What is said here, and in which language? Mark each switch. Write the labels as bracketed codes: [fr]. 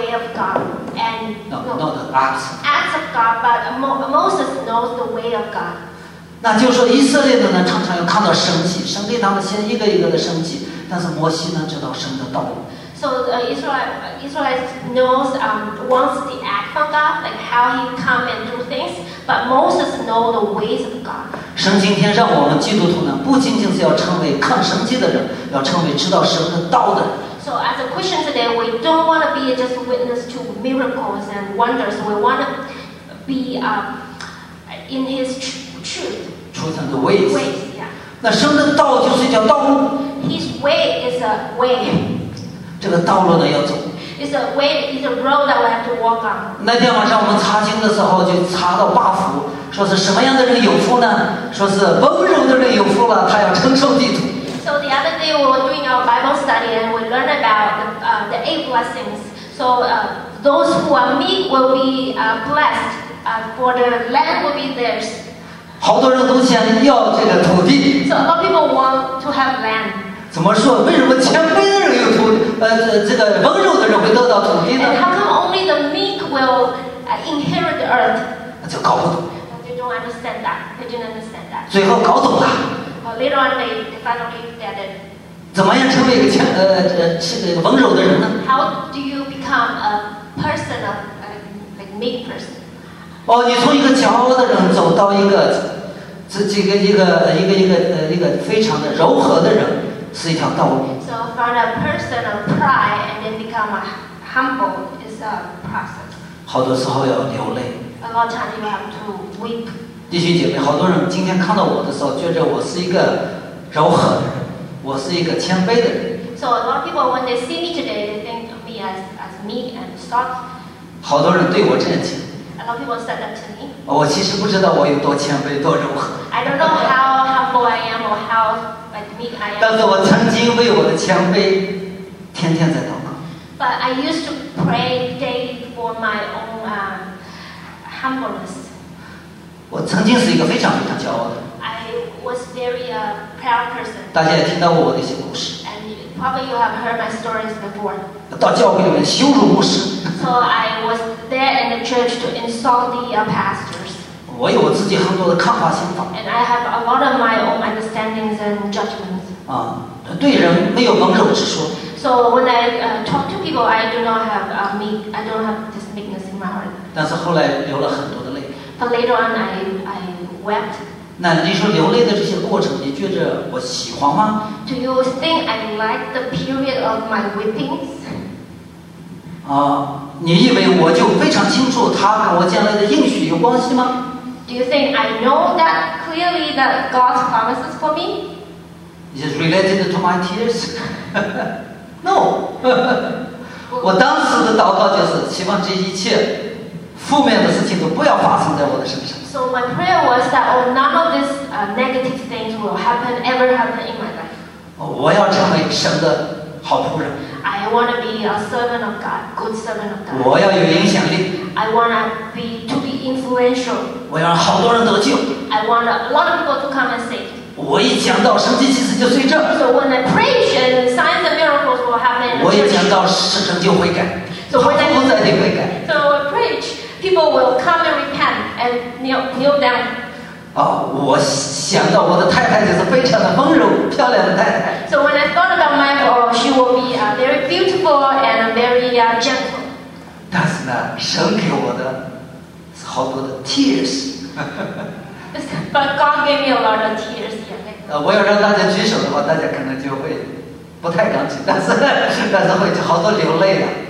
[en] Bible says the Israelite knows the way of God and not the acts. Acts of God, but Moses knows the way of God. [zh] 那就说以色列的呢，常常要看到神迹，神给他们先一个一个的神迹，但是摩西呢，知道神的道路。 [en] So Israelite knows wants the act from God, like how He come and do things, but Moses know the ways of God. [zh] 神今天让我们基督徒呢，不仅仅是要成为看神迹的人，要成为知道神的道的人。 [en] So as a Christian today, we don't want to be just witness to miracles and wonders. We want to be in His truth. Truth and the ways. Ways, yeah. [zh] 那神的道就是一条道路。 [en] His way is a way. [zh] 这个道路呢要走。 [en] It's a way. It's a road that we have to walk on. [zh] 那天晚上我们查经的时候，就查到八福，说是什么样的人有福呢？说是温柔的人有福了，他要承受地土。 [en] So the other day we were doing our Bible study and we learned about the 8 blessings. So those who are meek will be blessed, for the land will be theirs. [zh] 好多人都想要这个土地。 [en] So a lot of people want to have land. [zh] 怎么说？为什么谦卑的人有土？这个温柔的人会得到土地呢？ [en] And how come only the meek will inherit the earth? [zh] 就搞不懂。 [en] They don't understand that. They didn't understand that. [zh] 最后搞懂了。 [en] Later on, they finally get it. [zh] 怎么样成为一个强是个温柔的人呢 [en] ？How do you become a person of like meek person? [zh] 哦，你从一个骄傲的人走到一个一个非常的柔和的人，是一条道路。 [en] So from a person of pride and then become a humble is a process. [zh] 好多时候要流泪。 [en] A lot of times you have to weep. [zh] 弟兄姐妹，好多人今天看到我的时候，觉得我是一个柔和的人，我是一个谦卑的人。 [en] So a lot of people when they see me today, they think of me as meek and soft. [zh] 好多人对我震惊。 [en] A lot of people said that to me. [zh] 我其实不知道我有多谦卑，多柔和。 [en] I don't know how humble I am or how like meek I am. [zh] 但是我曾经为我的谦卑天天在祷告。 [en] But I used to pray daily for my own humbleness. [zh] 我曾经是一个非常非常骄傲的。 [en] I was very a proud person. [zh] 大家也听到过我的一些故事。 [en] And probably you have heard my stories before. [zh] 到教会里面羞辱牧师。 [en] So I was there in the church to insult the pastors. [zh] 我有我自己很多的看法想法。 [en] And I have a lot of my own understandings and judgments. [zh] 啊，对人没有温柔之说。 [en] So when I talk to people, I do not have I don't have this meekness in my heart. [zh] 但是后来流了很多的泪。 [en] But later on, I wept. [zh] 那你说流泪的这些过程，你觉得我喜欢吗 [en] ？Do you think I like the period of my weepings? [zh] 啊，你以为我就非常清楚他跟我将来的应许有关系吗 [en] ？Do you think I know that clearly that God's promises for me? Is it related to my tears? No. [zh] 我当时的祷告就是希望这一切。负面的事情都不要发生在我的身上。 [en] So my prayer was that none of these negative things will ever happen in my life. [zh] 我要成为神的好仆人。 [en] I want to be a servant of God, good servant of God. [zh] 我要有影响力。 [en] I want to be influential. [zh] 我要让好多人得救。 [en] I want a lot of people to come and save. [zh] 我一讲到神迹奇事就罪证。 [en] So when I preach and signs and miracles will happen. [zh] 我一讲到世人就悔改。 [en] So when I preach, [zh] 他们在地悔改。 [en] So I preach. People will come and repent and kneel down. [zh] 哦，我想到我的太太就是非常的温柔、漂亮的太太。 [en] So when I thought about my wife, she will be very beautiful and very gentle. [zh] 但是呢，神给我的好多的 [en] tears. But God gave me a lot of tears. [zh] 我要让大家举手的话，大家可能就会不太敢举，但是会就好多流泪的。